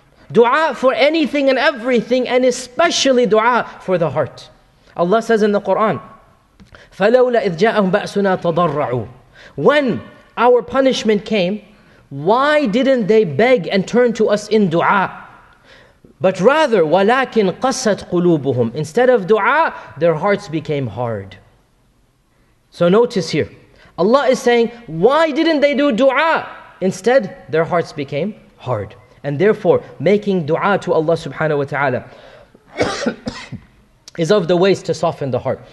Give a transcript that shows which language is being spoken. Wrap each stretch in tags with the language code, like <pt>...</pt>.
<en>Dua for anything and everything, and especially dua for the heart. Allah says in the Quran,</en> <ar>فَلَوْلَا إِذْ جَاءَهُمْ بَأْسُنَا تَضَرَّعُوا. When our punishment came, why didn't they beg and turn to us in dua?</ar> <en>But rather,</en> <ar>وَلَكِنْ قَسَتْ قُلُوبُهُمْ.</ar> <en>Instead of dua, their hearts became hard. So notice here, Allah is saying, why didn't they do dua? Instead, their hearts became hard. And therefore, making dua to Allah subhanahu wa ta'ala is of the ways to soften the heart.</en>